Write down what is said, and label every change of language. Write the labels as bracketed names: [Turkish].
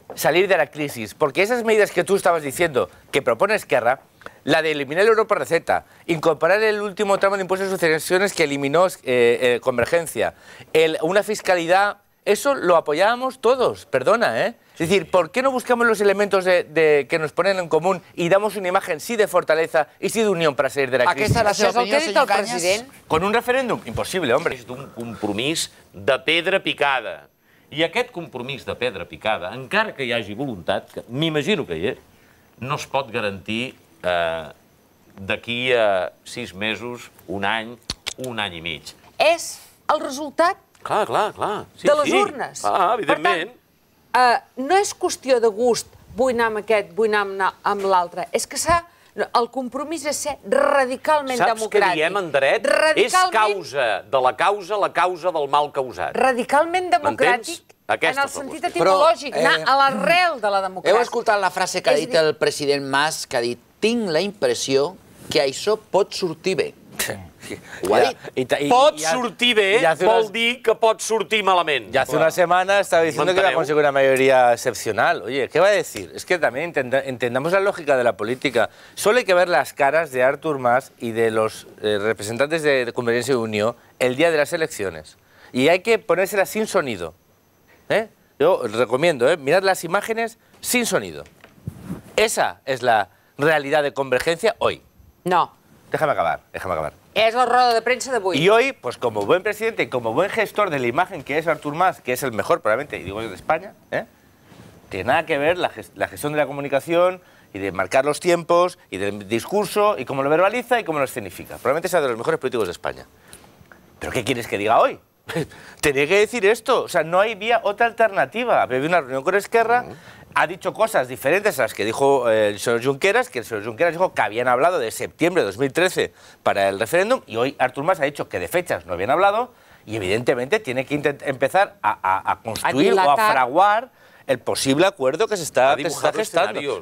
[Spanish] Salir de la crisis, porque esas medidas que tú estabas diciendo que propone Esquerra, la de eliminar el euro por receta, incorporar el último tramo de impuestos y sucesiones que eliminó Convergencia, una fiscalidad, eso lo apoyábamos todos, perdona, ¿eh? Es decir, ¿por qué no buscamos los elementos de que nos ponen en común y damos una imagen sí de fortaleza y sí de unión para salir de la crisis? ¿A qué está la opinión, señor president? ¿Con un referéndum? Impossible, hombre. [Catalan] És un compromís de pedra picada. I aquest compromís de pedra picada, encara que hi hagi voluntat, que m'imagino que hi és, no es pot garantir d'aquí a 6 mesos, un any i mig. És el resultat de les urnes. Clar, evidentment. Per tant, no és qüestió de gust, vull anar amb aquest, vull anar amb l'altre. És que s'ha... El compromís és ser radicalment democràtic. Saps què diem en dret? És causa de la causa, la causa del mal causat. Radicalment democràtic en el sentit etimològic, anar a l'arrel de la democràtica. Heu escoltat la frase que ha dit el president Mas, que ha dit, tinc la impressió que això pot sortir bé. Pot sortir bé vol dir que pot sortir malament. Ja fa una setmana estava dient que va aconseguir una majoria excepcional. Oye, què va dir? És que també entendem la lògica de la política. [Spanish] Solo hay que ver las caras de Artur Mas y de los representantes de Convergència i Unió el día de las elecciones. Y hay que ponérselas sin sonido. Yo os recomiendo, mirad las imágenes sin sonido. Esa es la realidad de Convergència hoy. No. Déjame acabar. [Catalan] És la roda de premsa d'avui. I avui, com a bon president i com a bon gestor de la imatge que és Artur Mas, que és el millor, probablement, i dic jo, d'Espanya, [Spanish] té nada que ver [Catalan] la gestió de la comunicació i de marcar els temps i del discurs i com lo verbalitza i com lo escenifica. Probablement és un dels millors polítics d'Espanya. Però què vols que diga avui? Tenia que dir això. O sigui, no hi havia altra alternativa. Hi havia una reunió amb Esquerra, [Spanish] ha dicho cosas diferentes a las que dijo el señor Junqueras, que el señor Junqueras dijo que habían hablado de septiembre de 2013 para el referéndum, y hoy Artur Mas ha dicho que de fechas no habían hablado, y evidentemente tiene que empezar a construir o a fraguar el posible acuerdo que se está gestando.